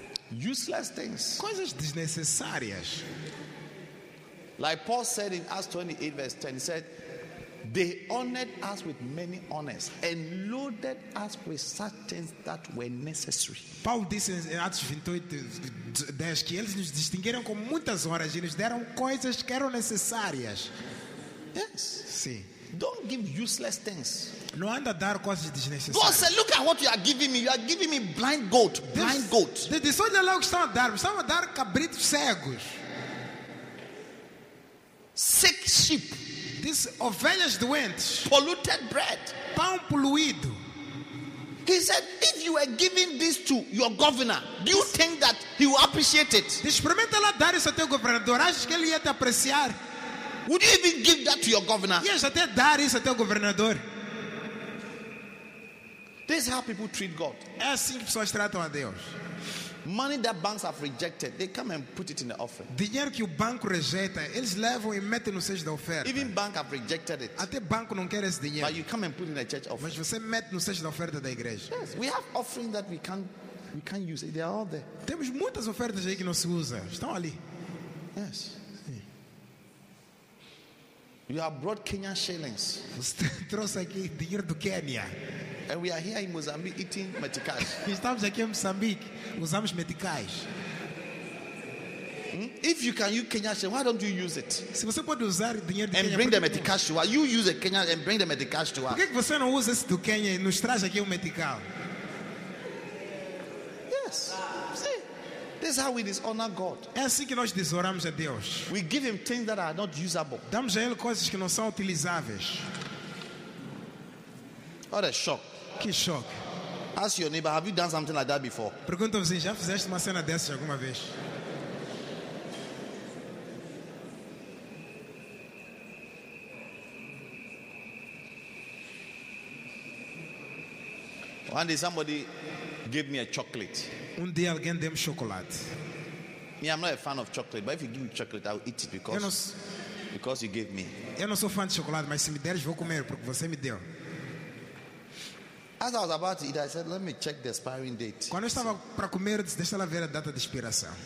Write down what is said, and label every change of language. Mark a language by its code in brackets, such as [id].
[en] Useless things. [pt] Coisas desnecessárias. [en] Like Paul said in Acts 28 verse 10, he said, they honored us with many honors and loaded us with such things that were necessary. [pt] Paulo disse em Atos 28:10 que eles nos distinguiram com muitas honras e nos deram coisas que eram necessárias. [en] Yes. [pt] Sim. [en] Don't give useless things. [pt] No anda dar coisas desnecessárias. [en] God said, look at what you are giving me. You are giving me blind goat. Blind goat. [pt] This olha lá o que estão a dar. Estão a dar cabritos cegos. [en] Sick sheep. [pt] This ovelhas doentes. [en] Polluted bread. [pt] Pão poluído. [en] He said, if you were giving this to your governor, do you think that he will appreciate it? [pt] Experimenta lá dar isso ao teu governador. Acho que ele ia te apreciar. [en] Would you even give that to your governor? [pt] Yes, até dar isso até o governador. [en] This is how people treat God. [pt] É assim que pessoas tratam a Deus. [en] Money that banks have rejected, they come and put it in the offering. [pt] Dinheiro que o banco rejeita, eles levam e metem no seio da oferta. [en] Even bank have rejected it. [pt] Até banco não quer esse dinheiro. [en] But you come and put it in the church offering. [pt] Mas você mete no seio da oferta da igreja. [en] Yes, we have offerings that we can't use. They are all there. [pt] Temos muitas ofertas aí que não se usa. Estão ali. [en] Yes. You have brought Kenyan shillings. [pt] Você trouxe aqui dinheiro do Quênia. [en] And we are here in Mozambique eating meticais. [pt] Estamos aqui em Moçambique, usamos meticais. [en] If you can use Kenyan shillings, why don't you use it? [pt] Se você pode usar dinheiro do [en] Quênia, bring the meticais to us. You use a Kenyan and bring the meticais to us. [pt] Por que você não usa esse do Quênia e nos traz aqui um metical? [en] Yes. This is how we dishonor God. [pt] É assim que nós desonramos a Deus. [en] We give him things that are not usable. [pt] Damos a ele coisas que não são utilizáveis. [en] What a shock. [pt] Que choque. [en] Ask your neighbor, have you done something like that before? [pt] Pergunta ao vizinho, já fizeste uma cena dessas alguma vez? [en] One day somebody gave me a chocolate. [pt] Um dia alguém deu-me chocolate. [en] Me, I'm not a fan of chocolate, but if you give me chocolate, I'll eat it because you gave me. [pt] Eu não sou fã de chocolate, mas se me deres, vou comer porque você me deu. [en] As I was about to eat, I said, let me check the expiring date. [pt] Quando eu estava para comer, deixa ela ver a data de expiração.